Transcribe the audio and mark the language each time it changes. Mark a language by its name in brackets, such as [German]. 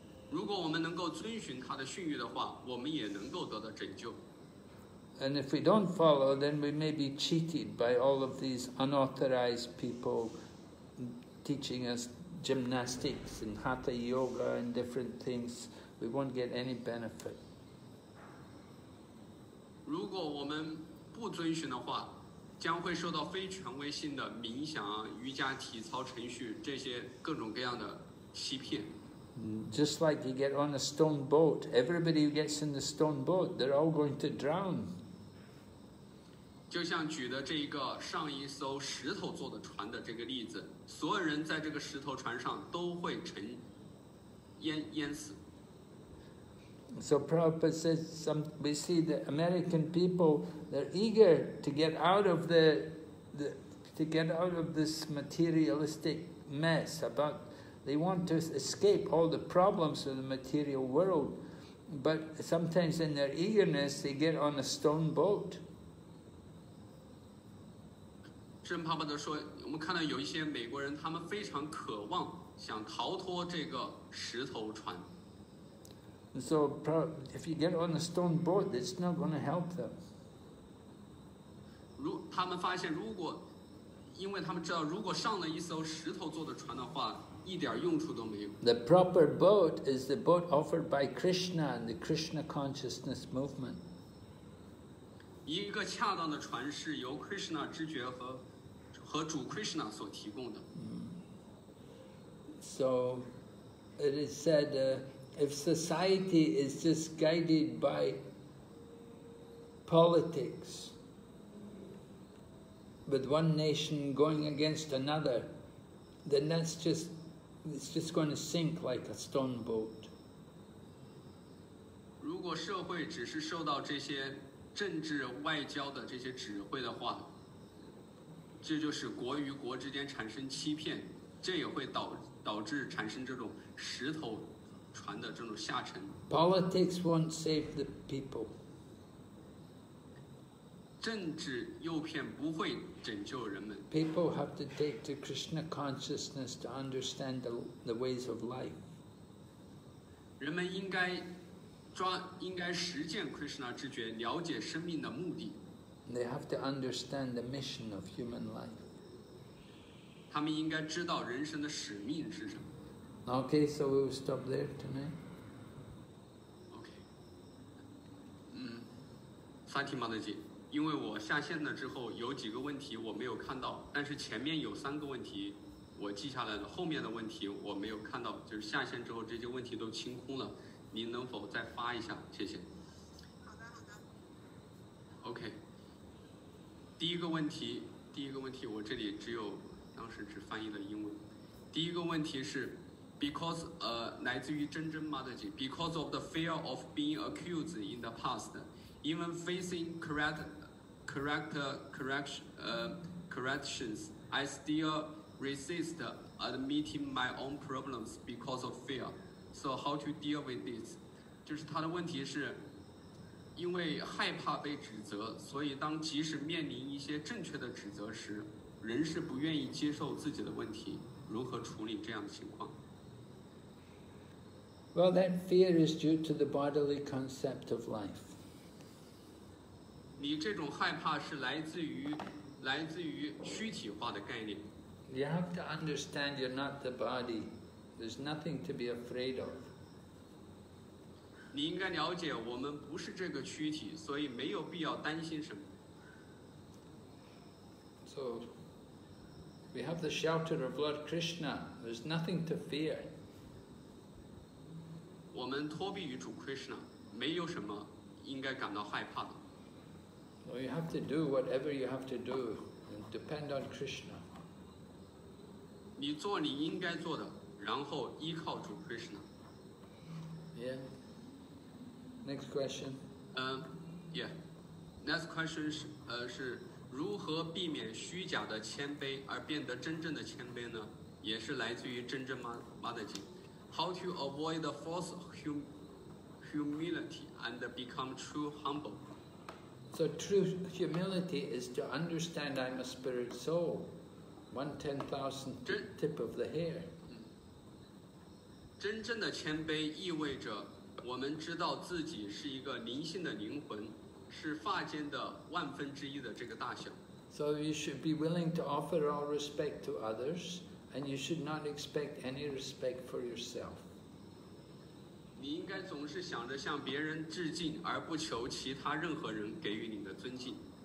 [Chinese] 如果我们能够遵循他的训谕的话，我们也能够得到拯救。 [English] And if we don't follow, then we may be cheated by all of these unauthorized people teaching us gymnastics and hatha yoga and different things. We won't get any benefit. [Chinese] 如果我们不遵循的话，将会受到非权威性的冥想、瑜伽、体操程序这些各种各样的欺骗。 [English] Just like you get on a stone boat, everybody who gets in the stone boat, they're all going to drown. [Chinese] 就像举的这一个上一艘石头做的船的这个例子，所有人在这个石头船上都会淹死。 [English] So Prabhupada says, we see the American people, they're eager to get out of this materialistic mess about. They want to escape all the problems of the material world, but sometimes in their eagerness, they get on a stone boat. [Chinese] 圣帕帕德说，我们看到有一些美国人，他们非常渴望想逃脱这个石头船。 [English] So if you get on a stone boat, it's not going to help them. [Chinese] 他们发现，如果因为他们知道，如果上了一艘石头做的船的话。 [English] The proper boat is the boat offered by Krishna and the Krishna consciousness movement. [Chinese] 一个恰当的船是由 Krishna 知觉和和主 Krishna 所提供的。 [English] So it is said, if society is just guided by politics, with one nation going against another, then that's just, it's just going to sink like a stone boat. [Chinese] 如果社会只是受到这些政治外交的这些指挥的话，这就是国与国之间产生欺骗，这也会导致产生这种石头船的这种下沉。 [English] Politics won't save the people. [Chinese] 政治诱骗不会拯救人们。 [English] People have to take to Krishna consciousness to understand the ways of life. [Chinese] 人们应该实践 Krishna 之觉，了解生命的目的。 [English] They have to understand the mission of human life. [Chinese] 他们应该知道人生的使命是什么。 [English] Okay, so we will stop there tonight. Okay. [Chinese] 萨提玛德吉，因为我下线了之后，有几个问题我没有看到，但是前面有三个问题我记下来了，后面的问题我没有看到，就是下线之后这些问题都清空了。您能否再发一下，谢谢。好的。 [English] OK。 [Chinese] 第一个问题我这里只有当时只翻译了英文。第一个问题是 [English] ,because, [Chinese] 来自于真真 [English] Mataji, because of the fear of being accused in the past, even facing corrections, I still resist admitting my own problems because of fear. So how to deal with this? [Chinese] 就是他的问题是，因为害怕被指责，所以当即使面临一些正确的指责时，人是不愿意接受自己的问题，如何处理这样的情况？ [English] Well, that fear is due to the bodily concept of life. [Chinese] 你这种害怕是来自于虚体化的概念。 [English] You have to understand you're not the body. There's nothing to be afraid of. [Chinese] 你应该了解我们不是这个躯体，所以没有必要担心什么。 [English] So, we have the shelter of Lord Krishna. There's nothing to fear. [Chinese] 我们托庇于主 Krishna, 没有什么应该感到害怕的。 [English] So you have to do whatever you have to do and depend on Krishna. [Chinese] 你做你应该做的。然后依靠主 Krishna. [English] Yeah. Next question. Yeah. Next question is, [Chinese] 是如何避免虚假的谦卑而变得真正的谦卑呢？也是来自于真正 Mataji. [English] How to avoid the false humility and become true humble? So true humility is to understand I'm a spirit soul, 1/10,000th tip of the hair. [Chinese] 真正的谦卑意味着我们知道自己是一个灵性的灵魂，是发间的万分之一的这个大小。 [English] So you should be willing to offer all respect to others, and you should not expect any respect for yourself. [Chinese] 你应该总是想着向别人致敬，而不求其他任何人给予你的尊敬。